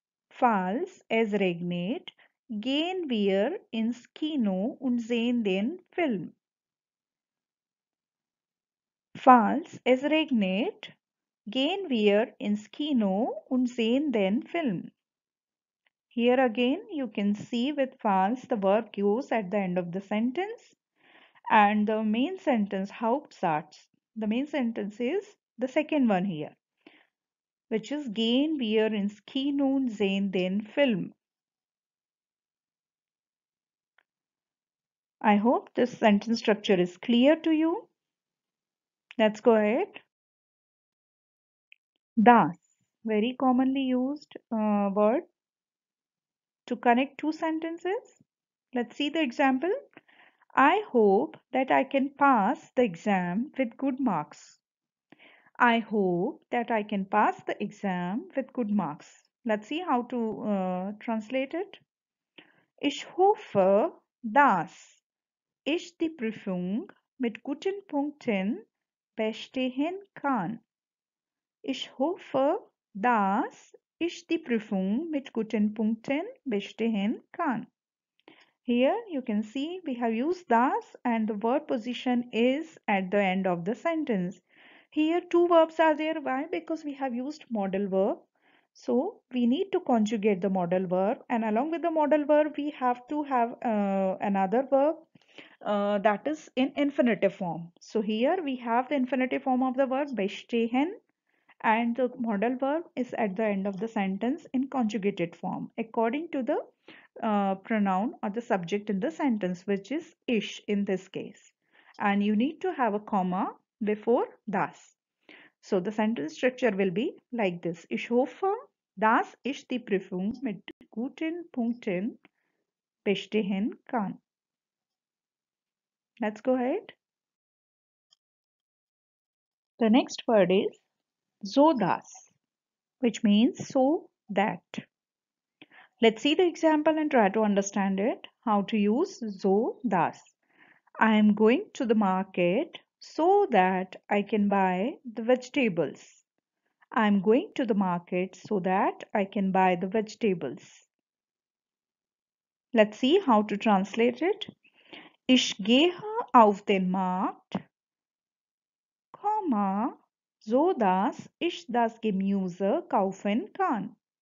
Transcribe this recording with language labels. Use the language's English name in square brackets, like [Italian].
[German] False es regnet, gehen wir ins Kino und sehen den Film. False es regnet, gehen wir ins Kino und sehen den Film. [English] Here again, you can see with false, the verb goes at the end of the sentence. And the main sentence, Hauptsatz, the main sentence is the second one here. Which is [German] gehen wir ins Kino und sehen den Film. [English] I hope this sentence structure is clear to you. Let's go ahead. Das, very commonly used word to connect two sentences. Let's see the example. I hope that I can pass the exam with good marks. I hope that I can pass the exam with good marks. Let's see how to translate it. [German] Ich hoffe, dass ich die Prüfung mit guten Punkten bestehen kann. Ich hoffe, dass ich die Prüfung mit guten Punkten bestehen kann. [English] Here you can see we have used das and the verb position is at the end of the sentence. Here two verbs are there. Why? Because we have used modal verb. So we need to conjugate the modal verb. And along with the modal verb, we have to have another verb that is in infinitive form. So here we have the infinitive form of the verb bestehen. And the modal verb is at the end of the sentence in conjugated form according to the pronoun or the subject in the sentence, which is ish in this case. And you need to have a comma before das. So the sentence structure will be like this. [German] Ich hoffe, dass ich die Prüfung mit guten Punkten bestehen kann. [English] Let's go ahead. The next word is so das, which means so that. Let's see the example and try to understand it. How to use so das. I am going to the market so that I can buy the vegetables. I am going to the market so that I can buy the vegetables. Let's see how to translate it. [German] Ich gehe auf den Markt, comma, so dass ich das Gemüse kaufen kann.